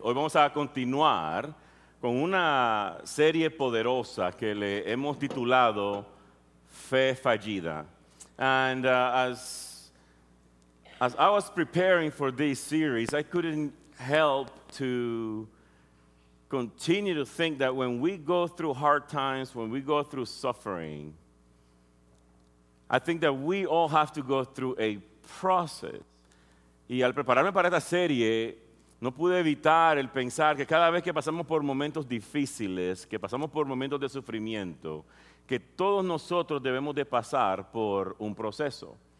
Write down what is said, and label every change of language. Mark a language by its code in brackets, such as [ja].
[es] Hoy vamos a continuar con una serie poderosa que le hemos titulado Fe Fallida. [en] And as I was preparing for this series, I couldn't help to continue to think that when we go through hard times, when we go through suffering, I think that we all have to go through a process. [es] Y al prepararme para esta serie, no pude evitar el pensar que cada vez que pasamos por momentos difíciles, que pasamos por momentos de sufrimiento, que todos nosotros debemos de pasar por un proceso.